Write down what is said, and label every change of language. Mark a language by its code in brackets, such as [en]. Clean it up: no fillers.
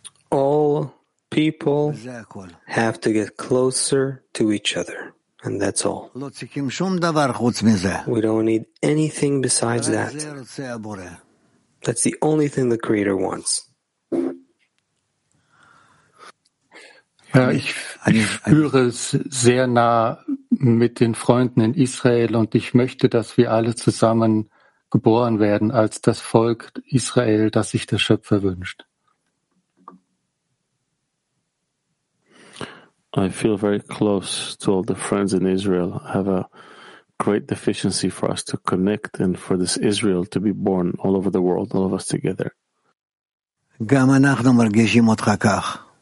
[en] All people have to get closer to each other. And that's all. We don't need anything besides that. That's the only thing the Creator wants. [de] Ja, ich spüre es sehr nah mit den Freunden in Israel und ich möchte, dass wir alle zusammen geboren werden als das Volk Israel, das sich der Schöpfer wünscht. [en] I feel very close to all the friends in Israel. I have a great deficiency for us to connect and for this Israel to be born all over the world, all of us together. [he] גם אנחנו מרגישים אותך כך.